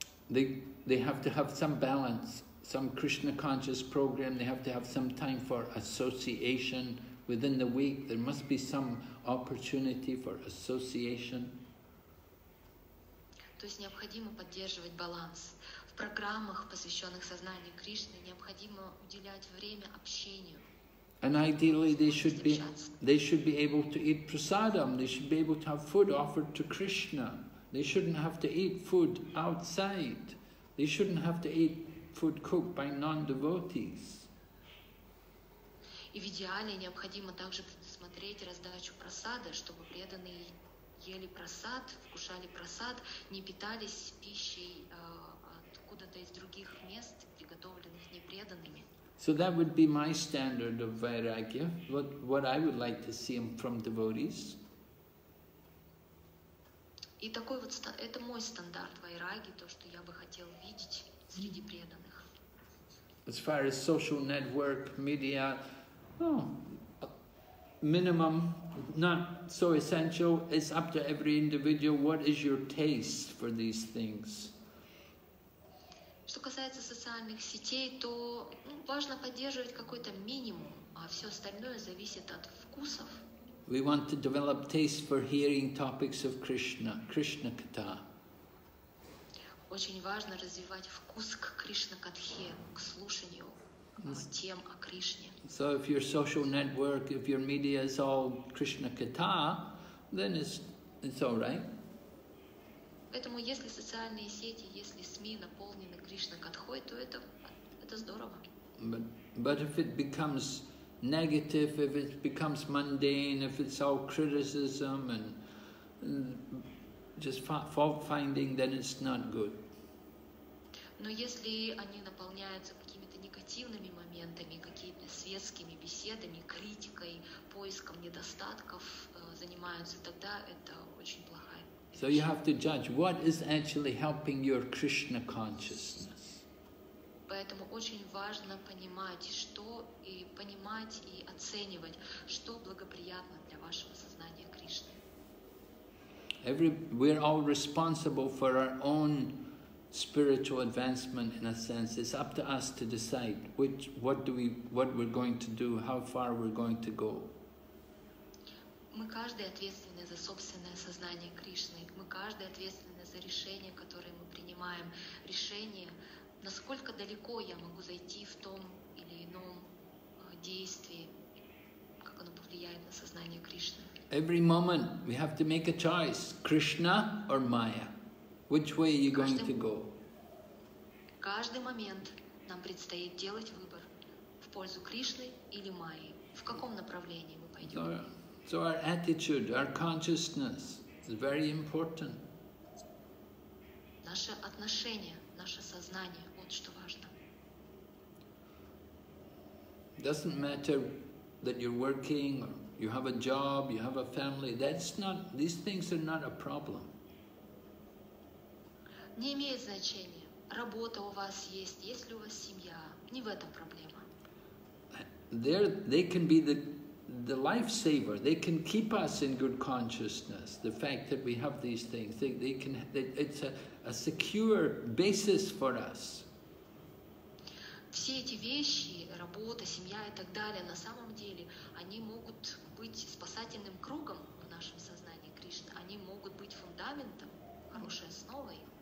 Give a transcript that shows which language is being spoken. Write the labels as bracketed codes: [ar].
[en] They have to have some balance, some Krishna conscious program, they have to have some time for association within the week, there must be some opportunity for association. [ru] То есть необходимо поддерживать баланс. В программах, посвященных сознанию Кришны, необходимо уделять время общению. [en] And ideally they should be able to eat prasadam, they should be able to have food offered to Krishna. They shouldn't have to eat food outside. They shouldn't have to eat food cooked by non-devotees. [ru] И в идеале необходимо также предусмотреть раздачу просады, чтобы преданные ели просад, вкушали просад, не питались пищей откуда-то из других мест, приготовленных непреданными. [en] So that would be my standard of Vairagya, what I would like to see from devotees. [ru] И такой вот это мой стандарт вайраги, то, что я бы хотел видеть среди преданных. [en] As far as social network, media, minimum, not so essential, it's up to every individual, what is your taste for these things? [ru] Что касается социальных сетей, то важно поддерживать какой-то минимум, а все остальное зависит от вкусов. [en] We want to develop taste for hearing topics of Krishna, Krishna Katha. [ru] Очень важно развивать вкус к Кришна Катхе, к слушанию тем о Кришне. [en] So if your social network, if your media is all Krishna Katha, then it's It's all right. [ru] Поэтому если социальные сети, если СМИ наполнены Кришна-катхой, то это здорово. [en] But if it becomes negative, if it becomes mundane, if it's all criticism and just fault-finding, then it's not good. [ru] Но если они наполняются какими-то негативными моментами, какими-то светскими беседами, критикой, поиском недостатков занимаются, тогда это очень плохая вещь. [en] So you have to judge what is actually helping your Krishna consciousness. [ru] Поэтому очень важно понимать, что и понимать и оценивать, что благоприятно для вашего сознания Кришны. [en] We're all responsible for our own spiritual advancement, in a sense. It's up to us to decide what we're going to do, how far we're going to go. [ru] Мы каждый ответственны за собственное сознание Кришны. Мы каждый ответственны за решение, которое мы принимаем. Решение, насколько далеко я могу зайти в том или ином действии, как оно повлияет на сознание Кришны. [en] Every moment we have to make a choice: Krishna or Maya. Which way are you going to go? [ru] Каждый момент нам предстоит делать выбор в пользу Кришны или Майи. В каком направлении мы пойдем? [en] So our attitude, our consciousness is very important. [ru] Наше отношение, наше сознание – вот что важно. [en] Doesn't matter that you're working, or you have a job, you have a family. These things are not a problem. [ru] Не имеет значения, работа у вас есть, есть ли у вас семья, не в этом проблема. [en] They can be the lifesaver, they can keep us in good consciousness, the fact that we have these things, it's a secure basis for us. [ru] Все эти вещи, работа, семья и так далее, на самом деле, они могут быть спасательным кругом в нашем сознании Кришны, они могут быть фундаментом, хорошей основой.